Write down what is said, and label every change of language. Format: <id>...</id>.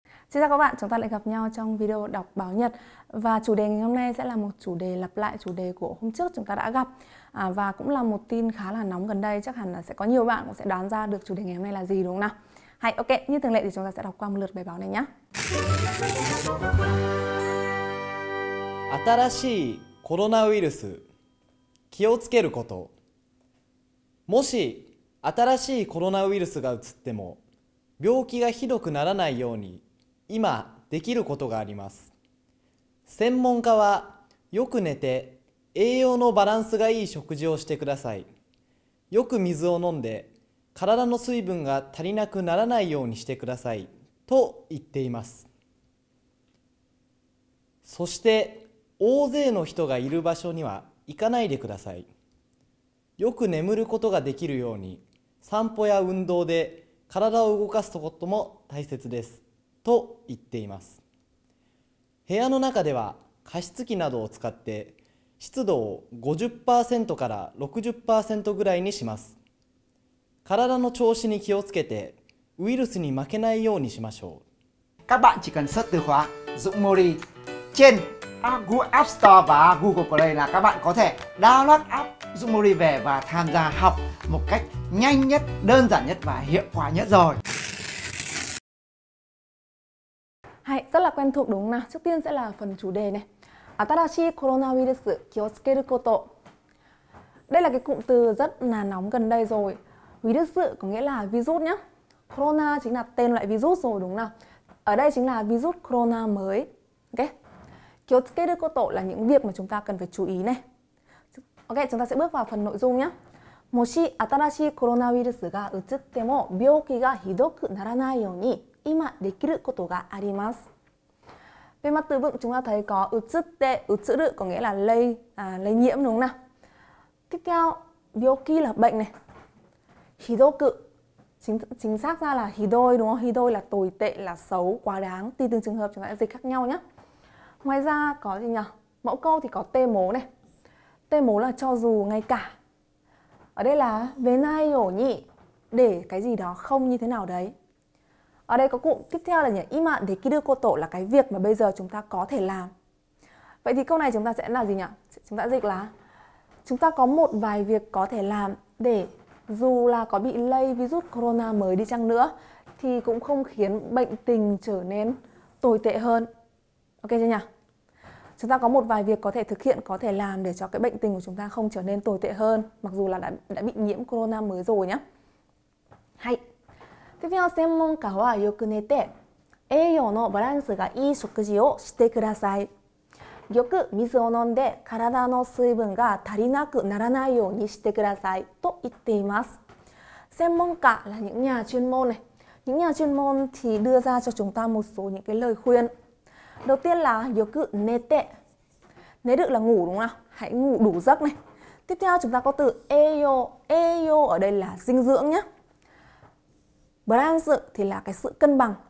<vi>Xin chào các bạn, chúng ta lại gặp nhau trong video đọc báo Nhật. Và chủ đề ngày hôm nay sẽ là một chủ đề lặp lại chủ đề của hôm trước chúng ta đã gặp. Và cũng là một tin khá là nóng gần đây, chắc hẳn là sẽ có nhiều bạn cũng sẽ đoán ra được chủ đề ngày hôm nay là gì, đúng không nào? Hay ok, như thường lệ thì chúng ta sẽ đọc qua một lượt bài báo này nhé.</vi> <ja>新しいコロナウイルス、気をつけること。もし新しいコロナウイルスがうつっても、病気がひどくならないように、今できることがあります。専門家は、よく寝て、栄養のバランスがいい食事をしてください。よく水を飲んで、体の水分が足りなくならないようにしてください、と言っています。そして、大勢の人がいる場所には行かないでください。よく眠ることができるように、散歩や運動で体を動かすことも大切です。と言っています。部屋の中では加湿器などを使って、湿度を 50% から 60% ぐらいにします。体の調子に気をつけて、ウイルスに負けないようにしましょう。</ja> <vi>Các bạn chỉ cần search từ khóa Dũng Mori trên Google App Store và Google Play là các bạn có thể download app Dũng Mori về và tham gia học một cách nhanh nhất, đơn giản nhất và hiệu quả nhất rồi. Hay, rất là quen thuộc đúng không nào? Trước tiên sẽ là phần chủ đề này.</vi> <ja>新しい coronavirus 気をつけること.</ja> <vi>Đây là cái cụm từ rất là nóng gần đây rồi. Virus có nghĩa là virus nhé. Corona chính là tên loại virus rồi đúng không nào? Ở đây chính là virus corona mới. Ok.</vi> <ja>気をつけること</ja> <vi>là những việc mà chúng ta cần phải chú ý này. Ok, chúng ta sẽ bước vào phần nội dung nhé.</vi> <ja>もし新しいコロナウイルスがうつっても病気がひどくならないように今できることがあります。</ja> <vi>Về mặt từ vựng chúng ta thấy có</vi> <ja>うつって、うつる</ja> <vi>có nghĩa là lây, lây nhiễm đúng không nào? Tiếp theo, 病気 là bệnh này. ひどく chính xác ra là ひどい đúng không? ひどい là tồi tệ, là xấu, quá đáng. Tùy từng trường hợp chúng ta sẽ dịch khác nhau nhé. Ngoài ra có gì nhỉ? Mẫu câu thì có tê mố này. Tê mố là cho dù ngay cả. Ở đây là về nay ổ nhị, để cái gì đó không như thế nào đấy. Ở đây có cụm tiếp theo là nhỉ? Ima để kiru koto là cái việc mà bây giờ chúng ta có thể làm. Vậy thì câu này chúng ta sẽ là gì nhỉ? Chúng ta dịch là chúng ta có một vài việc có thể làm để dù là có bị lây virus corona mới đi chăng nữa thì cũng không khiến bệnh tình trở nên tồi tệ hơn. Ok chưa nhỉ? Chúng ta có một vài việc có thể thực hiện, có thể làm để cho cái bệnh tình của chúng ta không trở nên tồi tệ hơn, mặc dù là đã bị nhiễm corona mới rồi nhé. Hay. Tiếp theo,</vi> <ja>専門家はよく寝て栄養のバランスがいい食事をしてください。よく水を飲んで体の水分が足りなくならないようにしてください。と言っています。</ja> <vi>専門家là những nhà chuyên môn này. Những nhà chuyên môn thì đưa ra cho chúng ta một số những cái lời khuyên. Đầu tiên là yoku nete. Nete là ngủ đúng không? Hãy ngủ đủ giấc này. Tiếp theo chúng ta có từ eyo. Eyo ở đây là dinh dưỡng nhé. Balance thì là cái sự cân bằng.</vi>